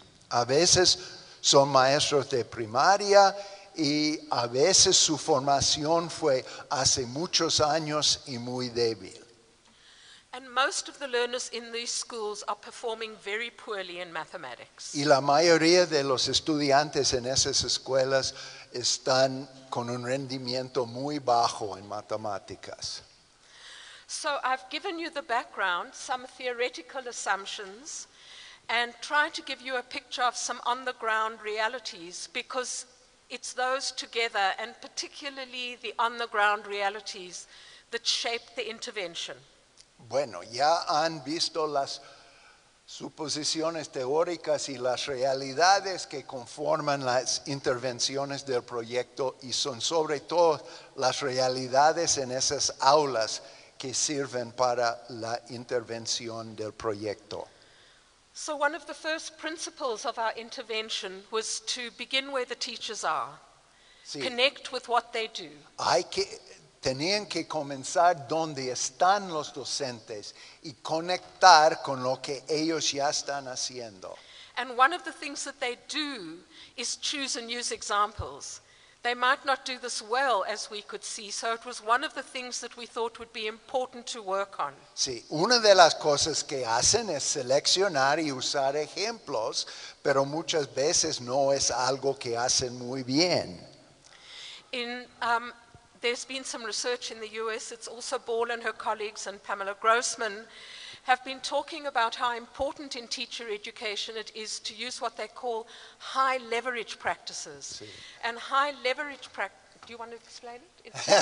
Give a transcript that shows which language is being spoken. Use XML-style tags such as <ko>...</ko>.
<es>A veces son maestros de primaria y a veces su formación fue hace muchos años y muy débil.</es> <en>And most of the learners in these schools are performing very poorly in mathematics.</en> <es>Y la mayoría de los estudiantes en esas escuelas están con un rendimiento muy bajo en matemáticas.</es> <en>So I've given you the background, some theoretical assumptions, and try to give you a picture of some on-the-ground realities, because it's those together, and particularly the on-the-ground realities, that shape the intervention.</en> <es>Bueno, ya han visto las suposiciones teóricas y las realidades que conforman las intervenciones del proyecto y son sobre todo las realidades en esas aulas que sirven para la intervención del proyecto.</es> <en>So one of the first principles of our intervention was to begin where the teachers are. Sí. Connect with what they do.</en> <es>Tenían que comenzar donde están los docentes y conectar con lo que ellos ya están haciendo.</es> <en>And one of the things that they do is choose and use examples. They might not do this well, as we could see, so it was one of the things that we thought would be important to work on.</en> <es>Sí, una de las cosas que hacen es seleccionar y usar ejemplos, pero muchas veces no es algo que hacen muy bien.</es> <en>There's been some research in the US. It's also Ball and her colleagues and Pamela Grossman have been talking about how important in teacher education it is to use what they call high leverage practices.</en> <es>Sí.</es> <en>And high leverage practices, do you want to explain it?</en>